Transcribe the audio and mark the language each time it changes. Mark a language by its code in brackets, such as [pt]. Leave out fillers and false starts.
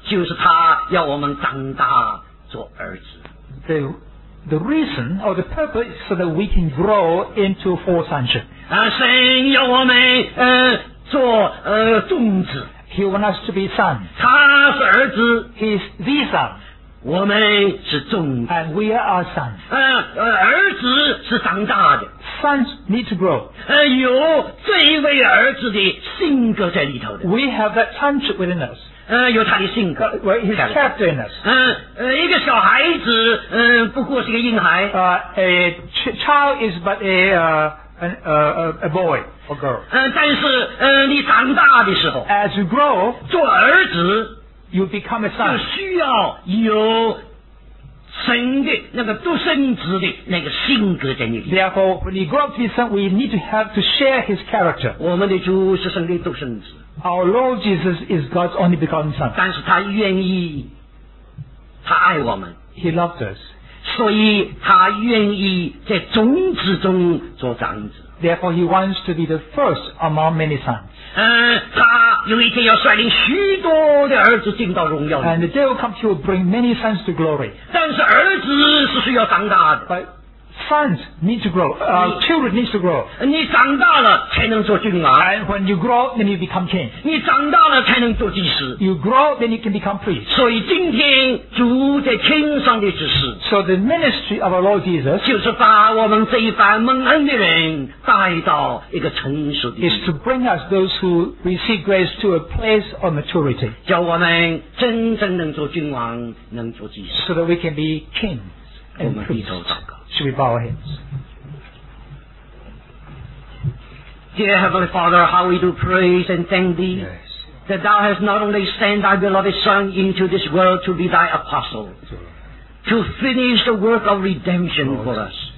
[zh] 你知道里面的功课就是他要我们长大做儿子, [en] the reason or the purpose so that we can grow into full sonship. [zh] 神要我们做种子, [en] he wants us to be sons. [zh] 他是儿子, [en] he is the son. [zh] 我们是众子。 [en] And we are our sons. [zh] 儿子是长大的。 [en] Sons need to grow. [zh] 有这一位儿子的性格在里头的。 [en] We have that sonship within us. [zh] 有他的性格。 [en] His character in us. [zh] 一个小孩子，不过是个婴孩。 [en] A child is but a boy. A girl. [zh] 但是你长大的时候 [en] ，as you grow， [zh] 做儿子 [en] ，you become a son， [zh] 就需要有神的那个独生子的那个性格在你里面。 [en] Therefore, when you grow up to be son, we need to have to share his character. [zh] 我们的主是神的独生子。 [en] Our Lord Jesus is God's only begotten Son. [zh] 但是他愿意，他爱我们。 [en] He loved us. [zh] 所以他愿意在种子中做长子。 [en] Therefore, he wants to be the first among many sons. [zh] 他有一天要率领许多的儿子进到荣耀里。 [en] And the day will come, he will bring many sons to glory. [zh] 但是儿子是需要长大的。 [en] But sons need to grow. Children need to grow. [zh] 你长大了才能做君王。 [en] And when you grow, then you become king. [zh] 你长大了才能做祭司。 [en] You grow, then you can become priest. [zh] 所以今天主在天上的指示。 [en] So the ministry of our Lord Jesus [zh] 就是把我们这一班蒙恩的人带到一个成熟的。 [en] Is to bring us those who receive grace to a place of maturity. [zh] 叫我们真正能做君王，能做祭司。 [en] So that we can be king and priest. Should we bow our heads? Dear Heavenly Father, how we do praise and thank Thee、 yes. that Thou hast not only sent Thy beloved Son into this world to be Thy apostle, to finish the work of redemption、Lord. For us.